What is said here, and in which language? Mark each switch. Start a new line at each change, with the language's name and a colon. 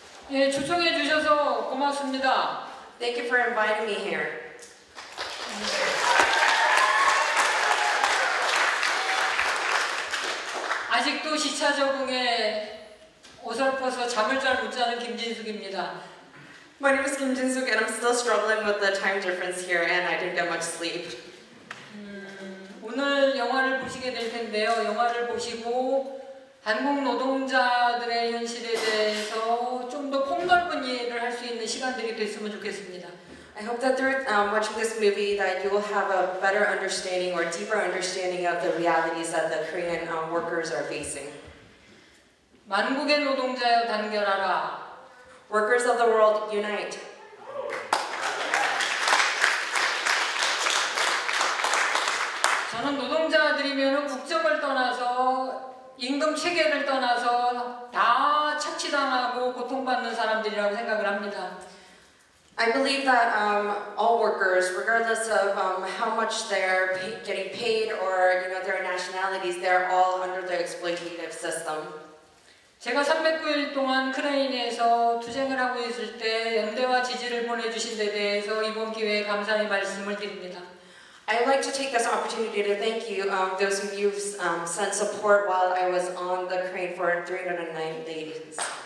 Korean: 예, 초청해 주셔서 고맙습니다.
English: Thank you for inviting me here.
Korean: 아직도 시차 적응에 어설퍼서 잠을 잘 못 자는 김진숙입니다.
English: My name is Kim Jin-suk and I'm still struggling with the time difference here and I didn't get much sleep.
Korean: 오늘 영화를 보시게 될 텐데요. 영화를 보시고 한국 노동자들의 현실에 대해서 좀 더 폭넓은 이해를 할 수 있는 시간들이 됐으면 좋겠습니다.
English: I hope that through watching this movie that you will have a better understanding or deeper understanding of the realities that the Korean workers are facing.
Korean: 만국의 노동자여 단결하라.
English: Workers of the world, unite.
Korean: 저는 노동자들이면 국정을 떠나서 임금 체계를 떠나서 다 착취당하고 고통받는 사람들이라고 생각을 합니다.
English: I believe that all workers, regardless of how much they're getting paid or you know their nationalities, they're all under the exploitative system.
Korean: 제가 309일 동안 크레인에서 투쟁을 하고 있을 때 연대와 지지를 보내주신 데 대해서 이번 기회에 감사의 말씀을 드립니다.
English: I'd like to take this opportunity to thank you, those of you who've sent support while I was on the crane for 309 days.